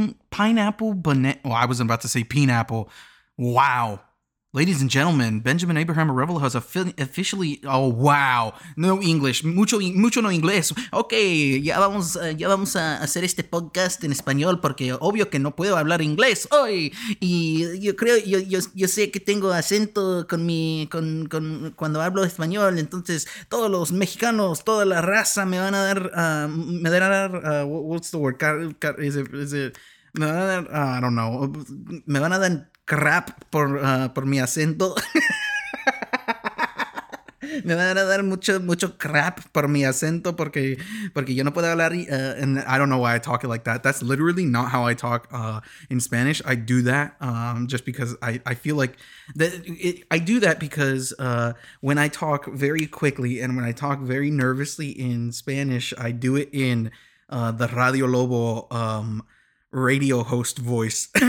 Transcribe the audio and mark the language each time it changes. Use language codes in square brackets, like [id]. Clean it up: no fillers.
[en] Pineapple banana. Oh, I was about to say pineapple. Wow. Ladies and gentlemen, Benjamin Abraham Arevalo has officially... Oh, wow. No English. [es] Mucho no inglés. Ok, ya vamos a hacer este podcast en español porque obvio que no puedo hablar inglés hoy. Y yo creo, yo sé que tengo acento con cuando hablo español. Entonces, todos los mexicanos, toda la raza me van a dar... [en] what's the word? [es] Me van a dar crap por mi acento. Me van a dar mucho crap por mi acento porque yo no puedo hablar. [en] And I don't know why I talk it like that. That's literally not how I talk in Spanish. I do that just because I feel like that. I do that because when I talk very quickly and when I talk very nervously in Spanish, I do it in the Radio Lobo radio host voice.